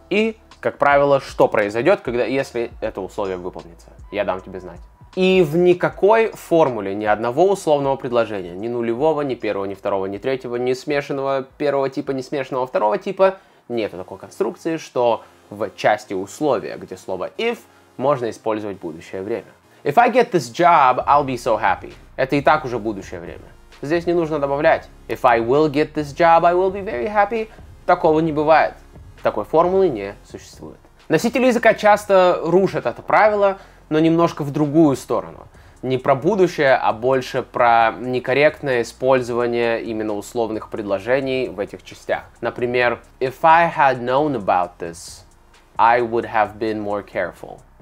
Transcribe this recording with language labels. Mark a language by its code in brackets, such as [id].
[ru] И, как правило, что произойдет, когда, если это условие выполнится. Я дам тебе знать. И в никакой формуле ни одного условного предложения, ни нулевого, ни первого, ни второго, ни третьего, ни смешанного первого типа, ни смешанного второго типа, нету такой конструкции, что в части условия, где слово if, можно использовать будущее время. [en] If I get this job, I'll be so happy. [ru] Это и так уже будущее время. Здесь не нужно добавлять. [en] If I will get this job, I will be very happy. [ru] Такого не бывает. Такой формулы не существует. Носители языка часто рушат это правило, но немножко в другую сторону. Не про будущее, а больше про некорректное использование именно условных предложений в этих частях. Например, [en] if I had known about this, I would have been more careful.